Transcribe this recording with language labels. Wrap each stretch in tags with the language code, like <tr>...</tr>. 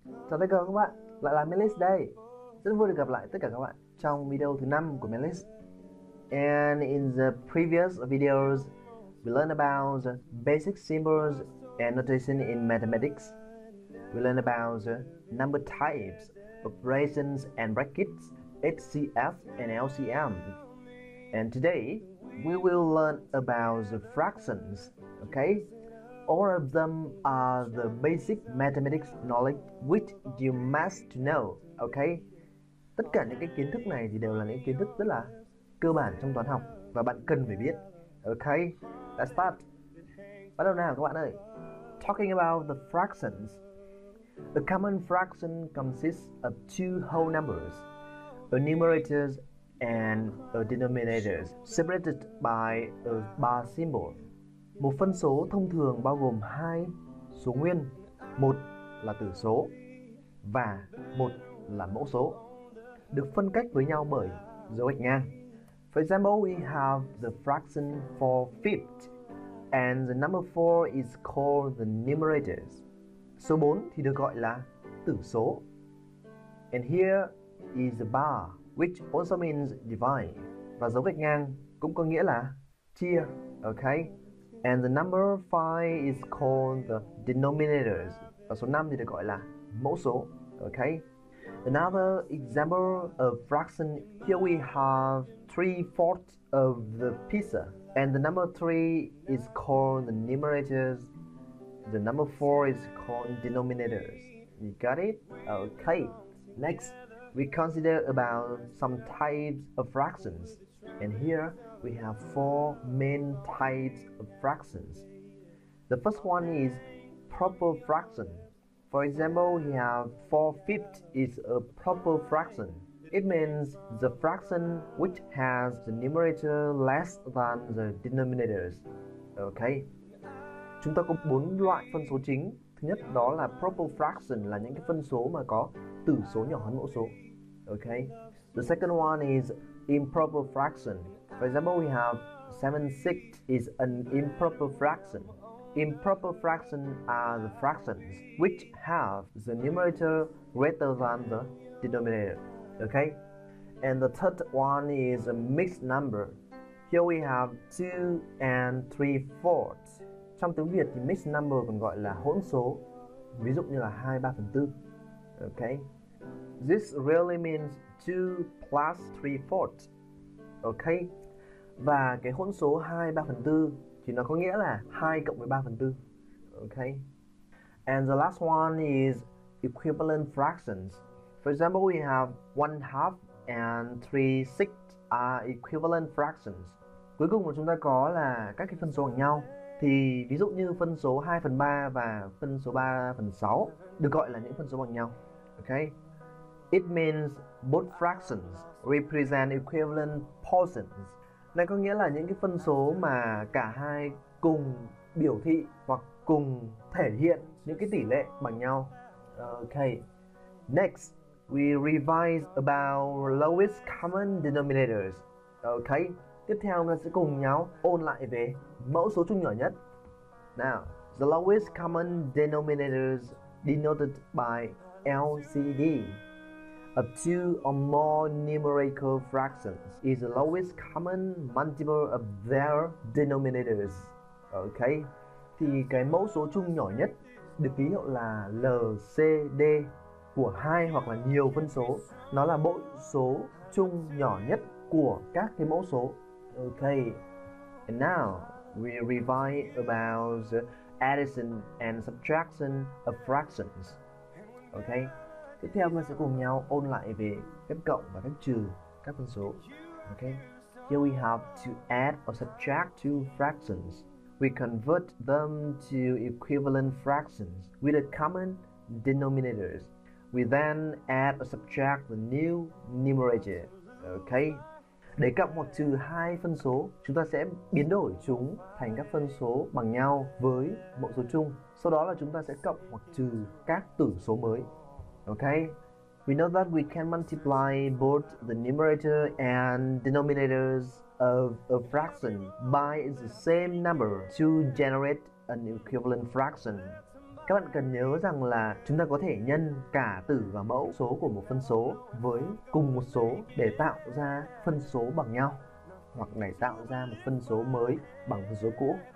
<vi>Chào tất cả các bạn, lại là Melis đây. Rất vui được gặp lại tất cả các bạn trong video thứ 5 của Melis.</vi> <en>And in the previous videos, we learned about the basic symbols and notation in mathematics. We learned about the number types, operations and brackets, HCF and LCM. And today, we will learn about the fractions, okay? All of them are the basic mathematics knowledge which you must know, okay?</en> <vi>Tất cả những cái kiến thức này thì đều là những kiến thức rất là cơ bản trong toán học và bạn cần phải biết.</vi> <en>Okay, let's start.</en> <vi>Bắt đầu nào các bạn ơi.</vi> <en>Talking about the fractions. A common fraction consists of two whole numbers, a numerator and a denominator, separated by a bar symbol.</en> <vi>Một phân số thông thường bao gồm hai số nguyên, một là tử số và một là mẫu số, được phân cách với nhau bởi dấu gạch ngang.</vi> <en>For example, we have the fraction 4/5, and the number 4 is called the numerator.</en> <vi>Số 4 thì được gọi là tử số.</vi> <en>And here is the bar, which also means divide.</en> <vi>Và dấu gạch ngang cũng có nghĩa là chia, okay?</vi> <en>And the number 5 is called the denominator.</en> <vi>Và số 5 thì được gọi là mẫu số, okay?</vi> <en>Another example of fraction, here we have 3/4 of the pizza. And the number 3 is called the numerator. The number 4 is called denominator. You got it? Okay. Next, we consider about some types of fractions. And here, we have 4 main types of fractions. The first one is proper fraction. For example, we have 4/5 is a proper fraction. It means the fraction which has the numerator less than the denominator. Okay.</en> <vi>Chúng ta có 4 loại phân số chính. Thứ nhất đó là proper fraction, là những cái phân số mà có tử số nhỏ hơn mẫu số.</vi> <en>Okay. The second one is improper fraction. For example, we have 7/6 is an improper fraction. Improper fraction are the fractions which have the numerator greater than the denominator. Okay. And the third one is a mixed number. Here we have 2 and 3/4.</en> <vi>Trong tiếng Việt thì mixed number còn gọi là hỗn số, ví dụ như là 2/3.</vi> <en>Okay. This really means 2 plus 3/4. Okay.</en> <vi>Và cái hỗn số 2/3 thì nó có nghĩa là 2 cộng với 3/4.</vi> <en>Okay. And the last one is equivalent fractions. For example, we have 1/2 and 3/6 are equivalent fractions.</en> <vi>Cuối cùng mà chúng ta có là các cái phân số bằng nhau. Thì ví dụ như phân số 2/3 và phân số 3/6 được gọi là những phân số bằng nhau.</vi> <en>Okay. It means both fractions represent equivalent portions.</en> <vi>Này có nghĩa là những cái phân số mà cả hai cùng biểu thị hoặc cùng thể hiện những cái tỷ lệ bằng nhau.</vi> <en>Okay. Next, we revise about lowest common denominators. Okay.</en> <vi>Tiếp theo chúng ta sẽ cùng nhau ôn lại về mẫu số chung nhỏ nhất.</vi> <en>Now, the lowest common denominators denoted by LCD of two or more numerical fractions is the lowest common multiple of their denominators. Okay.</en> <vi>Thì cái mẫu số chung nhỏ nhất được ký hiệu là LCD của hai hoặc là nhiều phân số. Nó là mẫu số chung nhỏ nhất của các cái mẫu số.</vi> <en>Okay. And now we revise about addition and subtraction of fractions. Okay.</en> <vi>Tiếp theo mình sẽ cùng nhau ôn lại về phép cộng và phép trừ các phân số.</vi> <en>Okay. Here we have to add or subtract two fractions. We convert them to equivalent fractions with a common denominator. We then add or subtract the new numerator. Okay.</en> <vi>Để cộng hoặc trừ hai phân số, chúng ta sẽ biến đổi chúng thành các phân số bằng nhau với mẫu số chung. Sau đó là chúng ta sẽ cộng hoặc trừ các tử số mới.</vi> <en>Okay, we know that we can multiply both the numerator and denominators of a fraction by the same number to generate an equivalent fraction.</en> <vi>Các bạn cần nhớ rằng là chúng ta có thể nhân cả tử và mẫu số của một phân số với cùng một số để tạo ra phân số bằng nhau, hoặc để tạo ra một phân số mới bằng phân số cũ.</vi>